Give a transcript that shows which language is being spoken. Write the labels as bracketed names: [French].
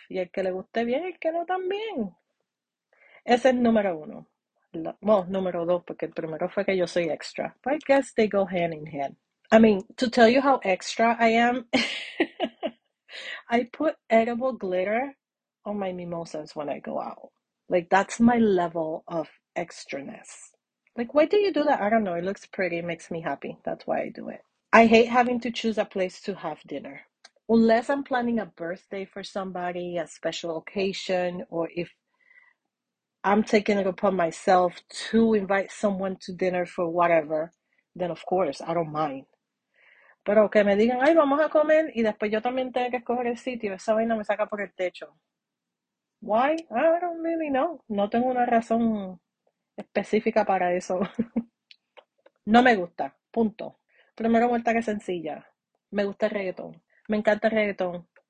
[Spanish] Y el que le guste bien, el que no también. Es el número uno. [English] Well, [Spanish] número dos, porque el primero fue que yo soy extra. [English] But I guess they go hand in hand. I mean, to tell you how extra I am, I put edible glitter on my mimosas when I go out. Like, that's my level of extraness. Like, why do you do that? I don't know. It looks pretty. It makes me happy. That's why I do it. I hate having to choose a place to have dinner. Unless I'm planning a birthday for somebody, a special occasion, or if I'm taking it upon myself to invite someone to dinner for whatever, then of course, I don't mind. [Spanish] Pero que me digan, ay, vamos a comer, y después yo también tengo que escoger el sitio. Esa vaina me saca por el techo. [English] Why? I don't really know. [Spanish] No tengo una razón específica para eso. No me gusta. Punto. Primera vuelta que sencilla. Me gusta el reggaetón. Me encanta el reggaetón.